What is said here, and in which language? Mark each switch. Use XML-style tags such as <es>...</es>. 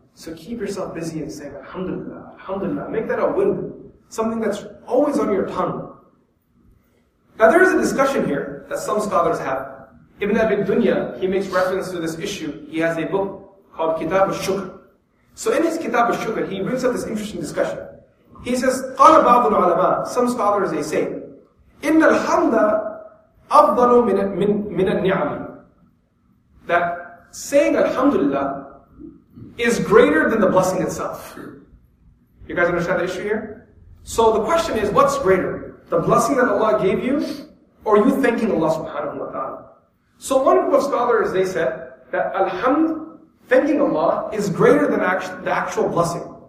<en>So keep yourself busy in saying Alhamdulillah, Alhamdulillah. Make that a win, something that's always on your tongue. Now there is a discussion here that some scholars have. Ibn Abi Dunya, he makes reference to this issue. He has a book called Kitab al-Shukr. So in his Kitab al-Shukr, he brings up this interesting discussion. He says,</en> <ar>قَالَ بَعْضُ الْعَلَمَاءِ.</ar> <en>Some scholars, they say,</en> <ar>إِنَّ الْحَمْدَ أَفْضَلُ مِنَ النِّعْمِ.</ar> <en>That saying Alhamdulillah is greater than the blessing itself. You guys understand the issue here? So the question is, what's greater? The blessing that Allah gave you, or you thanking Allah subhanahu wa ta'ala? So one group of scholars, they said that Alhamd, thanking Allah, is greater than the actual blessing.</en>